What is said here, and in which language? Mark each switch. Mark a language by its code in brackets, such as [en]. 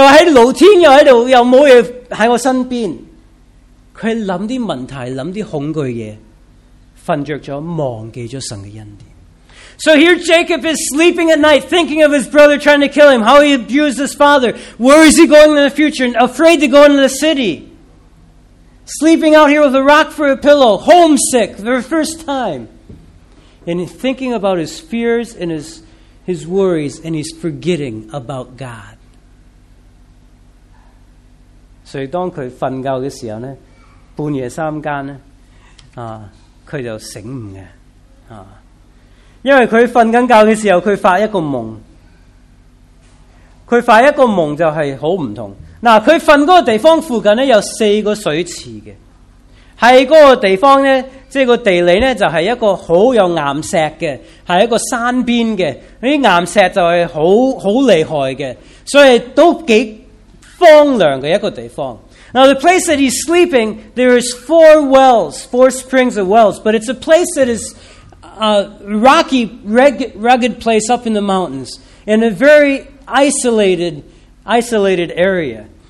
[zh] 所以我覺得雅各睡覺的時候,他在想這些東西,哥哥的東西,爸爸的東西,向前怎樣,離開家裡的東西,又不敢入城市區,又在露天,又沒有東西在我身邊。他想些問題,想些恐懼的東西,睡著了,忘記了神的恩典。 [en] So here Jacob is sleeping at night, thinking of his brother trying to kill him, how he abused his father, where is he going in the future, afraid to go into the city. Sleeping out here with a rock for a pillow, homesick for the first time. And thinking about his fears and his worries, and he's forgetting about God. [zh] So 當他睡覺的時候呢, 半夜三更,他就醒悟了。因為他睡覺的時候,他發一個夢。他發一個夢就是很不同。他睡的地方附近有四個水池。在那個地方,地理就是一個很有岩石的,是一個山邊的。岩石就是很厲害的,所以都頗荒涼的一個地方。 [en] Now the place that he's sleeping, there is four wells, four springs of wells, but it's a place that is a rocky, rugged place up in the mountains, in a very isolated area.